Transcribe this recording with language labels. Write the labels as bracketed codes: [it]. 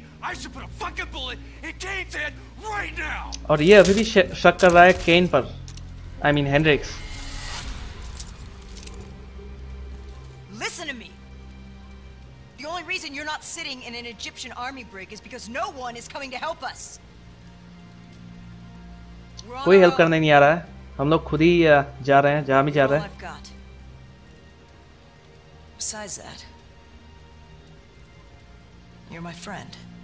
[en] I should put a fucking bullet in Kane's head right now. [hi] और ये अभी भी शक कर रहा है केन पर. [en] I mean Hendricks. Listen to me. The only reason you're not sitting in an Egyptian army brig is because no one is coming to help us. [hi] कोई हेल्प करने नहीं आ रहा है. हम लोग खुद ही जा रहे हैं, जहां भी जा रहे हैं. [en] Besides that, you're my friend.